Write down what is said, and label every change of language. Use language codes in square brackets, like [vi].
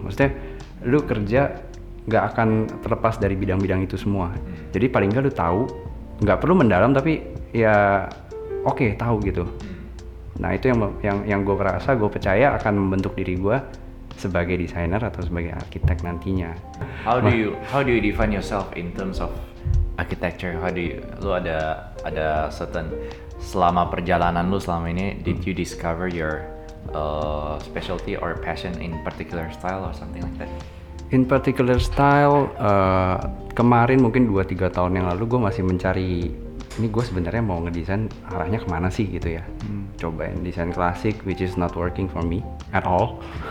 [id] Maksudnya lu kerja nggak akan terlepas dari bidang-bidang itu semua. Jadi paling nggak lu tahu, nggak perlu mendalam tapi ya oke, tahu gitu. Nah itu yang gue rasa, gue percaya akan membentuk diri gue sebagai desainer atau sebagai arsitek nantinya. [en] How do you define yourself in terms of architecture? [id] Lu ada [en] certain, [id] selama perjalanan lu selama ini, [en] did you discover your specialty or passion in particular style or something like that? In particular style, [id] kemarin mungkin 2-3 tahun yang lalu gue masih mencari, ini gue sebenarnya mau ngedesain arahnya kemana sih gitu ya. Cobain desain klasik, [en] which is not working for me at all.